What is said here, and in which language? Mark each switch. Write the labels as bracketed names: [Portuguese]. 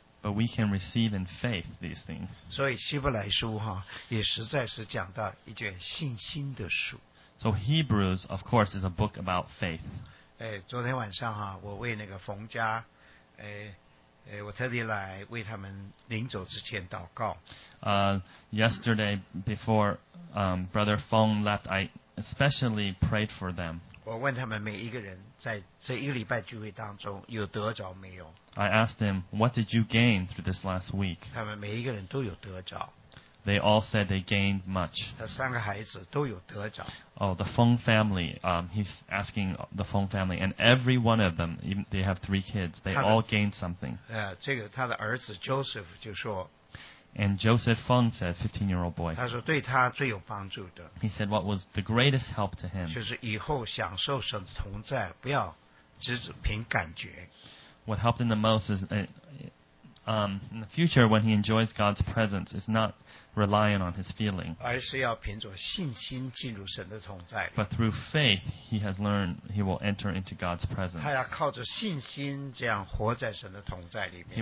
[English] But we can receive in faith these things. [Chinese] 所以希伯来书哈也实在是讲到一卷信心的书。 [English] So Hebrews, of course, is a book about faith. [Chinese] 昨天晚上哈，我为那个冯家，我特地来为他们临走之前祷告。 [English] Yesterday, before Brother Feng left, I especially prayed for them. [Chinese] 我问他们每一个人在这一个礼拜聚会当中有得着没有。 [English] I asked them, what did you gain through this last week? [Chinese] 他们每一个人都有得着。 [English] They all said they gained much. [Chinese] 他三个孩子都有得着。 [English] Oh, the Feng family, he's asking the Feng family, and every one of them, even, they have three kids, they all gained something. [Chinese] 这个他的儿子 Joseph 就说, [English] And Joseph Feng said, 15-year-old boy, [Chinese] 他说对他最有帮助的。 [English] He said what was the greatest help to him. [Chinese] 就是以后享受神的同在，不要只是凭感觉。 [English] What helped him the most is in the future when he enjoys God's presence, it's not relying on his feeling. [Chinese] 而是要凭着信心进入神的同在。 [English] But through faith, he has learned he will enter into God's presence. [Chinese] 他要靠着信心这样活在神的同在里面。